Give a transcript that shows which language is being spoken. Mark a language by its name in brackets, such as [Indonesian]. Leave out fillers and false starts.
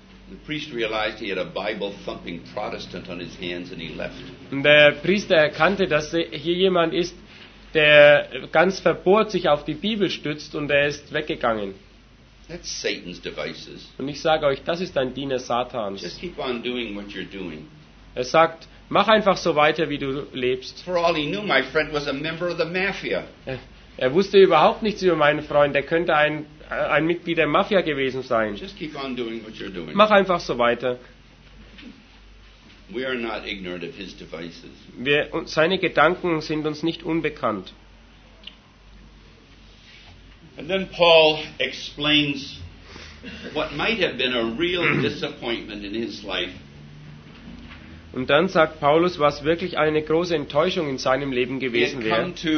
[English] The priest realized he had a Bible-thumping Protestant on his hands, and he left. [German] Der Priester erkannte, dass hier jemand ist, der ganz verbohrt sich auf die Bibel stützt, und er ist weggegangen. [English] That's Satan's devices. [German] Und ich sage euch, das ist ein Diener Satans. [English] Just keep on doing what you're doing. [German] Er sagt: Mach einfach so weiter, wie du lebst. [English] For all he knew, my friend was a member of the mafia. [German] Er wusste überhaupt nichts über meinen Freund. Er könnte ein Mitglied der Mafia gewesen sein. [English] Just keep on doing what you're doing. [German] Mach einfach so weiter. [English] We are not ignorant of his devices. [German] Seine Gedanken sind uns nicht unbekannt. [English] And then Paul explains what might have been a real disappointment in his life. [German] Und dann sagt Paulus, was wirklich eine große Enttäuschung in seinem Leben gewesen wäre.